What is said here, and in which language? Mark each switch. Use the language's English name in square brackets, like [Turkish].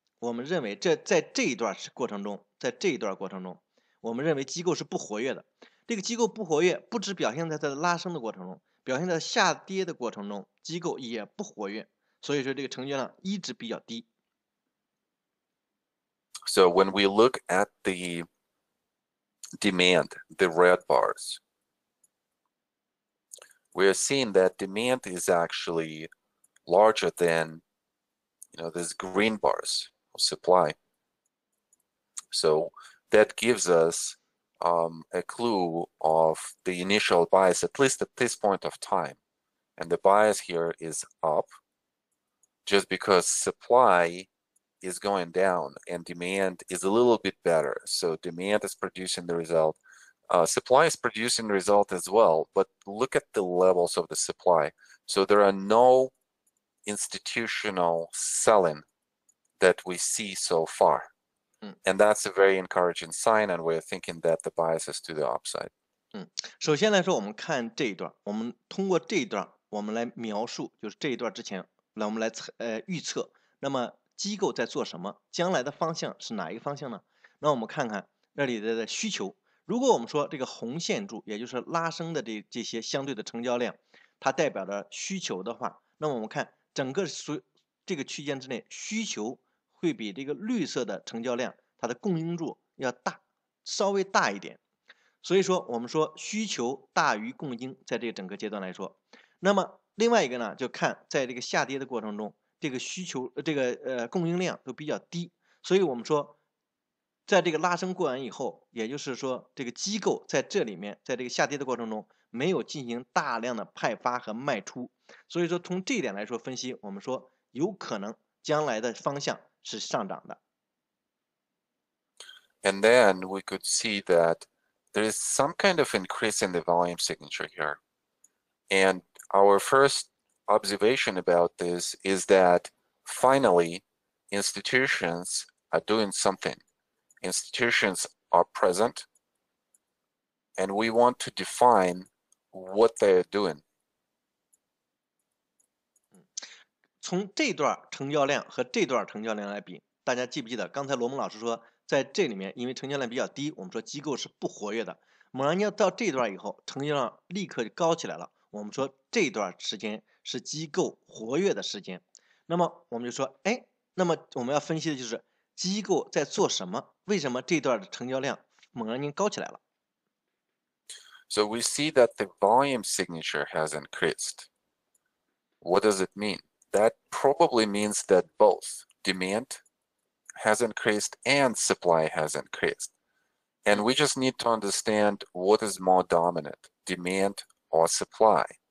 [Chinese] 们认为这在这一段过程中，在这一段过程中我们认为机构是不活跃的，这个机构不活跃不只表现在它的拉升的过程中，表现在下跌的过程中机构也不活跃，所以说这个成交量一直比较低。 [English] So when we look at the demand, the red bars, we are seeing that demand is actually larger than, you know, these green bars of supply. SoThat gives us a clue of the initial bias, at least at this point of time. And the bias here is up just because supply is going down and demand is a little bit better. So demand is producing the result. Supply is producing the result as well, but look at the levels of the supply. So there are no institutional selling that we see so far. And that's a very encouraging sign, and we're thinking that the bias is to the upside. [Chinese] 首先来说，我们看这一段，我们通过这一段，我们来描述，就是这一段之前，来我们来预测，那么机构在做什么，将来的方向是哪一个方向呢？那我们看看那里的需求。如果我们说这个红线柱，也就是拉升的这些相对的成交量，它代表着需求的话，那么我们看整个这个区间之内需求。会比这个绿色的成交量它的供应柱要大，稍微大一点，所以说我们说需求大于供应，在这个整个阶段来说，那么另外一个呢就看在这个下跌的过程中这个需求这个供应量都比较低，所以我们说在这个拉升过完以后，也就是说这个机构在这里面在这个下跌的过程中没有进行大量的派发和卖出，所以说从这一点来说分析，我们说有可能将来的方向是上涨的。 [English] And then we could see that there is some kind of increase in the volume signature here. And our first observation about this is that finally institutions are doing something. Institutions are present, and we want to define what they are doing. [Chinese] 从这段成交量和这段成交量来比，大家记不记得刚才罗蒙老师说在这里面因为成交量比较低，我们说机构是不活跃的，猛然间到这段以后成交量立刻就高起来了，我们说这段时间是机构活跃的时间。那么我们就说，哎，那么我们要分析的就是机构在做什么，为什么这段的成交量猛然间高起来了。 [English] So we see that the volume signature has increased. What does it mean? That probably means that both demandhas increased and supply has increased. And we just need to understand what is more dominant, demand or supply.